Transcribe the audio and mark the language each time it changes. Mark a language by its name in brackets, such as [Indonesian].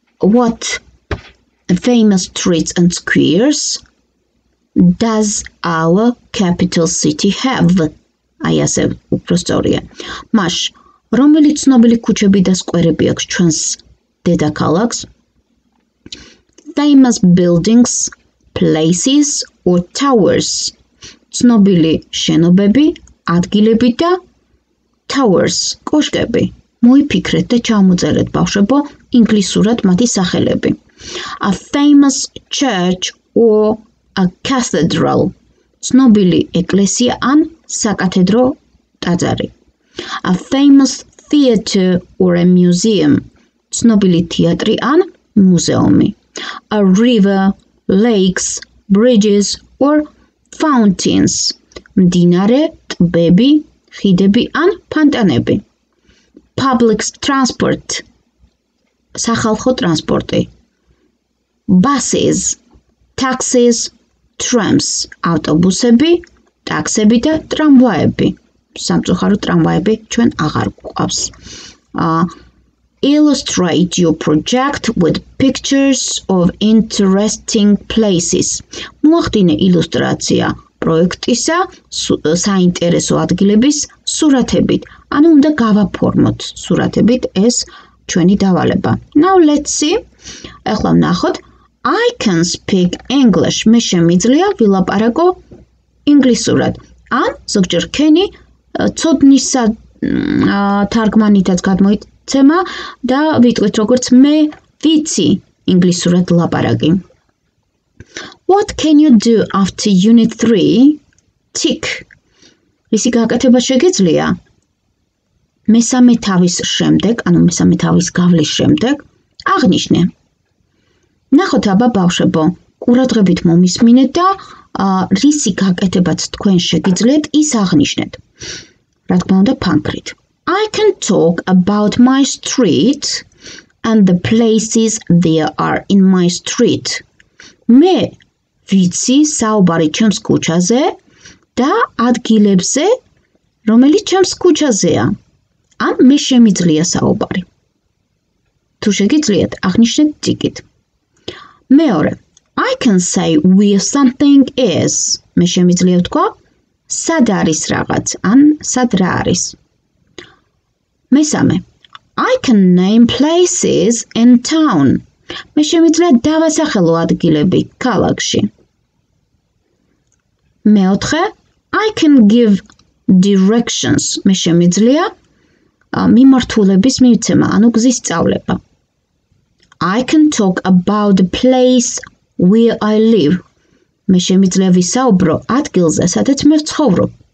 [English] What famous streets and squares does our capital city have? [Georgian] აი ასე უფრო სწორია. Маш, რომელი ცნობილი ქუჩები და სკვერები აქვს ჩვენს დედაქალაქს? [English] Famous buildings, places or towers? [Georgian] ცნობილი შენობები, ადგილები და towers, კოშკები. მოიფიქრეთ და ჩამოწერეთ ბავშვებო ინგლისურად მათი სახელები. [English] A famous church or a cathedral. [Georgian] ცნობილი ეკლესია ან საკათედრო ტაძარი. [English] A famous theater or a museum. [Georgian] ცნობილი თეატრი ან მუზეუმი. [English] A river, lakes, bridges or fountains. [Georgian] მდინარე, ტბები, ხიდები ან ფონტანები. [English] Public transport. [Georgian] სახალხო ტრანსპორტი. [English] Buses, taxis, trams. [Georgian] ავტობუსები, ტაქსები და ტრამვაები. სამწუხარო ტრამვაები ჩვენ აღარ გვყავს. [English] Illustrate your project with pictures of interesting places. [Georgian] მოახდინე ილუსტრაცია პროექტისა საინტერესო ადგილების სურათებით. ანუ უნდა გავაფორმოთ სურათებით ეს ჩვენი დავალება. [English] Now let's see. [Georgian] ახლა ვნახოთ. [English] I can speak English. [Georgian] მე შემიძლია ვილაპარაკო ინგლისურად. ან ზოგჯერ ქენი ცოდნისა თარგმანითაც გადმოიცემა და ვიტყვით როგორც მე ვიცი ინგლისურად ლაპარაკი. [English] What can you do after unit 3? Tick. [Georgian] ისი გაკეთება შეგეძლია? მესამე თავის შემდეგ, ანუ მესამე თავის გავლის შემდეგ, აღნიშნე. ნახოთ აბა ბავშვებო, ყურადღებით მომისმინეთ და რისი გაკეთებაც თქვენ შეგიძლიათ, ის აღნიშნეთ. რა თქმა უნდა, ფანქრით. [English] I can talk about my street and the places there are in my street. [Georgian] მე ვიცი საუბარი ჩემს ქუჩაზე და ადგილებზე, რომელიც ჩემს ქუჩაზეა. ან მე შემიძლია საუბარი. თუ შეგიძლიათ, აღნიშნეთ ტიკით. მეორე. [English] I can say where something is. [Georgian] მე შემიძლია ვთქვა სად არის რაღაც, ან სად რა არის. მესამე. [English] I can name places in town. [Georgian] მე შემიძლია დავასახელო ადგილები ქალაქში. მეოთხე. [English] I can give directions. [Georgian] მე შემიძლია მიმართულების მიცემა, ანუ გზის სწავლება. [English] I can talk about the place where I live. [Georgian] მე შემიძლია ვისაუბრო ადგილზე, სადაც მე ვცხოვრობ.